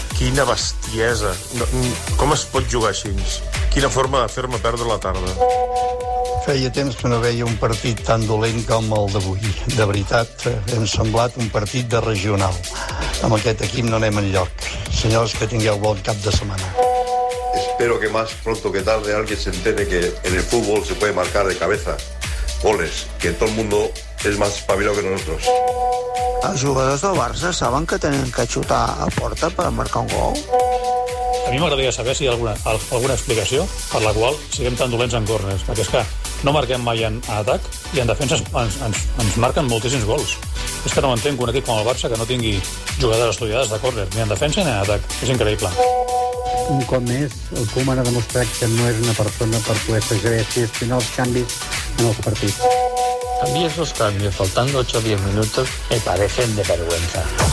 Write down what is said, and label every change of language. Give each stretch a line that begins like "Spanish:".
Catalan: Quina bestiesa! Com es pot jugar així? Quina forma de fer-me perdre la tarda? Feia temps que no veia un partit tan dolent com el d'avui. De veritat, hem semblat un partit de regional. Amb aquest equip no anem enlloc. Senyors, que tingueu bon cap de setmana.
Spanish: Espero que más pronto que tarde alguien se entere que en el fútbol se puede marcar de cabeza goles, que todo el mundo es más espabilado que nosotros.
Catalan: Els jugadors del Barça saben que tenen que xutar a porta per marcar un gol? A mi m'agradaria saber si hi ha alguna explicació per la qual siguem tan dolents en corners, perquè és que no marquem mai en atac i en defensa ens marquen moltíssims gols. És que no m'entenc un equip com el Barça que no tingui jugadores estudiades de córner, ni en defensa ni en atac. És increïble. Un cop més, el Koeman ha demostrat que no és una persona per poder segrer si estic els canvis en els partits.
Spanish: A mi esos cambios, faltando 8 o 10 minutos, me parecen de vergüenza.